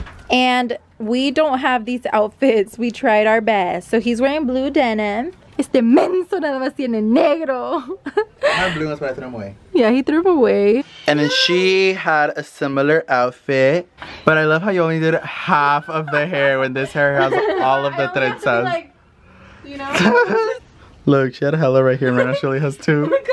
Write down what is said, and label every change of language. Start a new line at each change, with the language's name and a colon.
English: And we don't have these outfits. We tried our best. So he's wearing blue denim.
Spanish: Este menso nada más tiene negro.
English: I'm blue, that's why I threw him away. Yeah, he threw him away. And then she had a similar outfit. But I love how you only did half of the hair when this hair has all of the trenzas. Like, you know? Look, she had a hella right here. Right now she only has two.